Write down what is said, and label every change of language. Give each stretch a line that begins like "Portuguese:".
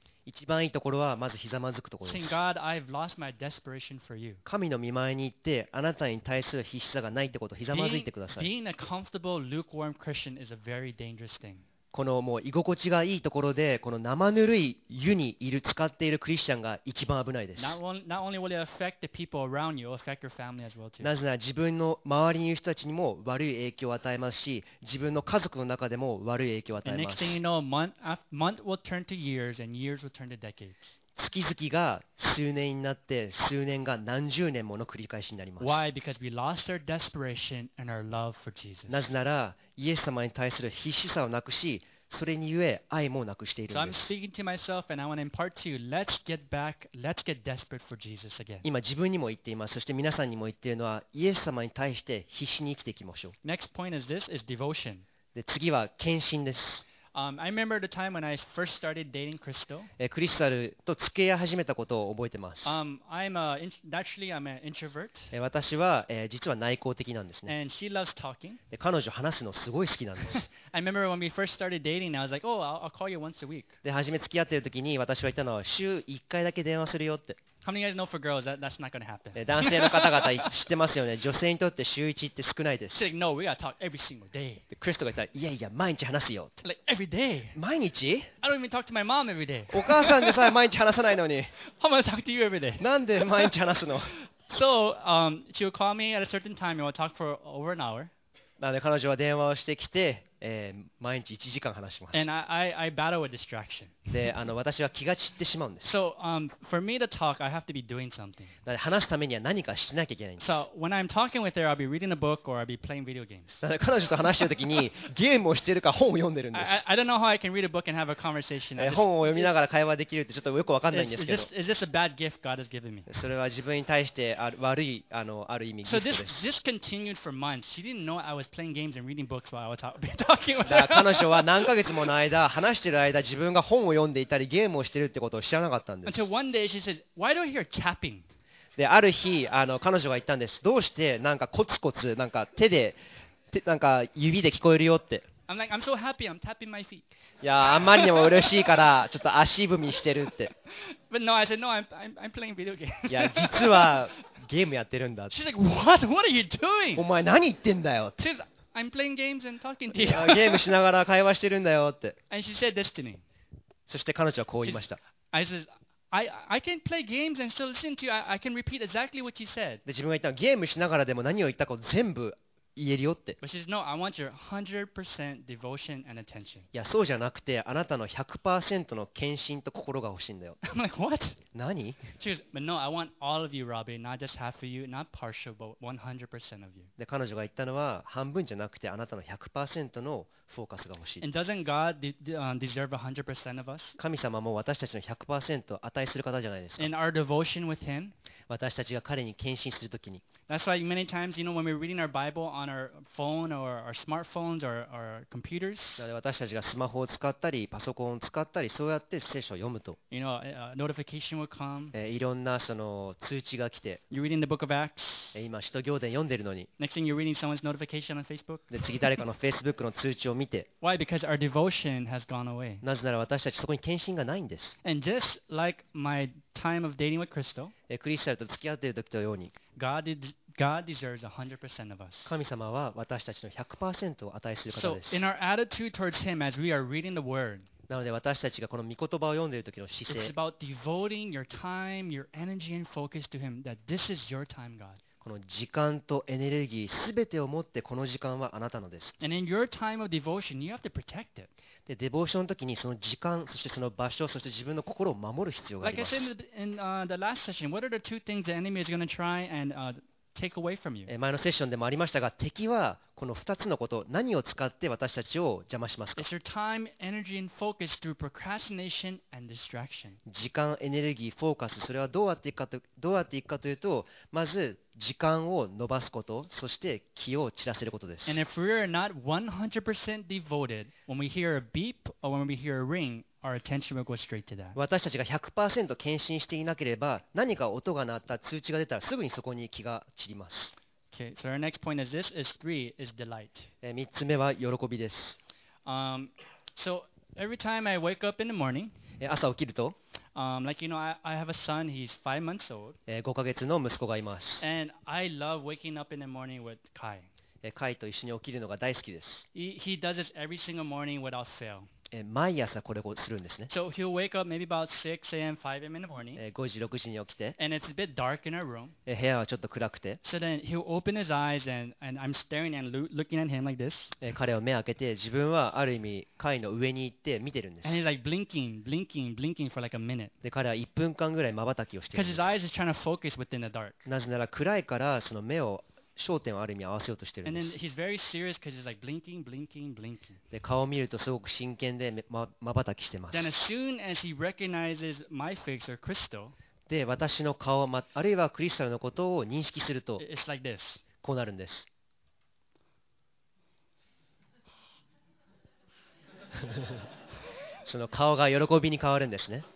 Japanese: 一番いいところはまずひざまずくところです。神の御前に行ってあなたに対する必死さがないってことをひざまずいてください。
English: Being a comfortable, lukewarm Christian is a very dangerous thing.
Japanese: このもう居心地がいいところでこの生ぬるい湯にいる使っているクリスチャンが一番危ないです。
English: Not only will it affect the people around you, it will affect your family as well too.
Japanese: なぜなら自分の周りにいる人たちにも悪い影響を与えますし、自分の家族の中でも悪い影響を与えます。
English: And next thing you know, month will turn to years, and years will turn to decades.
Japanese: 月々が数年になって、数年が何十年もの繰り返しになります。
English: Why? Because we lost our desperation and our love for Jesus.
Japanese: なぜなら、イエス様に対する必死さをなくし、それにゆえ愛もなくしているんです。
English: So I'm speaking to myself and I want to impart to you, let's get desperate for Jesus again.
Japanese: 今自分にも言っています。そして皆さんにも言っているのは、イエス様に対して必死に生きていきましょう。
English: Next point is this, is devotion.
Japanese: で、次は献身です。
English: I remember the time when I first started dating Crystal.
Japanese: クリスタルと付き合い始めたことを覚えてます。
English: Naturally, I'm an introvert.
Japanese: 私は、実は内向的なんですね。
English: And she loves talking.
Japanese: 彼女話すのすごい好きなんです。
English: I remember when we first started dating, I was like, oh, I'll call you once a week.
Japanese: で、初め付き合ってる時に私は言ったのは、週1回だけ電話するよって。
English: How many guys know for girls that's not going to happen?
Japanese: 男性の方々知ってますよね。女性にとって週一って少ないです。
English: She's like, no, we gotta talk every single day.
Japanese: クリストが言ったら、いやいや、毎日話すよ。
English: Like, every day?
Japanese: 毎日?
English: I don't even talk to my mom every day.
Japanese: お母さんでさえ毎日話さないのに。
English: I'm gonna talk to you every day.
Japanese: なんで毎日話すの?
English: So, she would call me at a certain time and we'll talk for over an hour.
Japanese: なので彼女は電話をしてきて、毎日1時間話します。
English: And I battle with distraction.
Japanese: で、私は気が散ってしまうんです。
English: So, for me to talk, I have to be doing something.
Japanese: なので話すためには何かしなきゃいけないんです。
English: So, when I'm talking with her, I'll be reading a book or I'll be playing video games.
Japanese: なので彼女と話してる時にゲームをしてるか本を読んでるんです。
English: I don't know how I can read a book and have a conversation.
Japanese: 本を読みながら会話できるってちょっとよくわかんないんですけど。
English: Is this a bad gift God has given me?
Japanese: それは自分に対して悪い、ある意味ギフトです。
English: So, this continued for months. She didn't know I was playing games and reading books while I was talking.
Japanese: 彼女は何ヶ月もの間話してる間自分が本を読んでいたりゲームをしてるってことを知らなかったんです。
English: Until one day she said, "Why don't you hear tapping?"
Japanese: で、ある日彼女が言ったんです。どうしてなんかコツコツなんか手でなんか指で聞こえるよって。
English: I'm like, I'm so happy, I'm tapping my feet.
Japanese: いや、あんまりにも嬉しいからちょっと足踏みしてるって。
English: But no, I said, no, I'm playing video games.
Japanese: いや、実はゲームやってるんだって。
English: She's like, "What? What are you doing?"
Japanese: お前何言ってんだよって。
English: She'sI'm playing games and talking to you.
Japanese: ゲームしながら会話してるんだよって。
English: And she said this to me.
Japanese: そして彼女はこう言いました。
English: I said, I can play games and still listen to you. I can repeat exactly what you said.
Japanese: で、自分が言ったのはゲームしながらでも何を言ったかを全部言えるよって。
English: But she says, no, I want your 100% devotion and attention.
Japanese: いや、そうじゃなくて、あなたの 100% の献身と心が欲しいんだよ。
English: I'm like, what?
Japanese: 何?
English: She goes, but no, I want all of you, Robbie, not just half of you, not partial, but 100% of you.
Japanese: で、彼女が言ったのは、半分じゃなくて、あなたの 100% のフォーカスが欲しい。
English: And doesn't God deserve 100% of us?
Japanese: 神様も私たちの 100% 値する方じゃないですか。
English: In our devotion with Him?
Japanese: 私たちが彼に献身するときに。
English: That's why many times, you know, when we're reading our Bible on our phone or our smartphones or our computers.
Japanese: 私たちがスマホを使ったり、パソコンを使ったり、そうやって聖書を読むと。
English: You know, notification will come.
Japanese: いろんなその通知が来て。
English: You're reading the book of Acts.
Japanese: 今、使徒行伝読んでるのに。
English: Next thing you're reading someone's notification on Facebook.
Japanese: で、次誰かの Facebook の通知を見て。
English: Why? Because our devotion has gone away.
Japanese: なぜなら私たちそこに献身がないんです。
English: And just like my time of dating with Crystal.
Japanese: クリスタルと付き合っている時のように
English: God deserves 100% of us.
Japanese: 神様は私たちの 100% を値する方です。
English: So in our attitude towards Him as we are reading the Word,
Japanese: なので私たちがこの御言葉を読んでいる時の姿勢、
English: It's about devoting your time, your energy and focus to Him, that this is your time, God.
Japanese: この時間とエネルギー全てを持ってこの時間はあなたのです。
English: And in your time of devotion, you have to protect it.
Japanese: で、デボーションの時にその時間、そしてその場所、そして自分の心を守る必要があります。
English: Like I said in the last session, what are the two things the enemy is going to try and take away from you?
Japanese: 前のセッションでもありましたが、敵はこの2つのこと、何を使って私たちを邪魔しますか?
English: It's your time, energy, and focus through procrastination and distraction.
Japanese: 時間、エネルギー、フォーカス、それはどうやっていくかというと、まず時間を延ばすこと、そして気を散らせることです。
English: And if we are not 100% devoted, when we hear a beep or when we hear a ring, our attention will go straight to that.
Japanese: 私たちが 100% 献身していなければ、何か音が鳴った、通知が出たら、すぐにそこに気が散ります。
English: Okay, so our next point is this, is three, is delight.
Japanese: 3つ目は喜びです。
English: So every time I wake up in the morning,
Japanese: 朝起きると、
English: like you know, I have a son, he's 5 months old.
Japanese: 5ヶ月の息子がいます。
English: And I love waking up in the morning with Kai.
Japanese: Kai と一緒に起きるのが大好きです。
English: He does this every single morning without fail.
Japanese: 毎朝これをするんですね。
English: So he'll wake up maybe about 6 a.m. 5 a.m. in the morning.
Japanese: 5時6時に起きて。
English: And it's a bit dark in our room.
Japanese: 部屋はちょっと暗くて。
English: So then he'll open his eyes and I'm staring and looking at him like this.
Japanese: 彼は目を開けて自分はある意味カイの上に行って見てるんです。
English: And he's like blinking, blinking, blinking for like a minute.
Japanese: で彼は1分間ぐらい瞬きをしてる。
English: Because his eyes is trying to focus within the dark.
Japanese: なぜなら暗いからその目を焦点をある意味合わせようとしてるんです。
English: And then he's very serious because he's like blinking, blinking, blinking.
Japanese: で、顔を見るとすごく真剣で、まばきしてます。
English: Then as soon as he recognizes my face or crystal,
Japanese: で、私の顔、あるいはクリスタルのことを認識すると、
English: it's like this.
Japanese: こうなるんです。その顔が喜びに変わるんですね。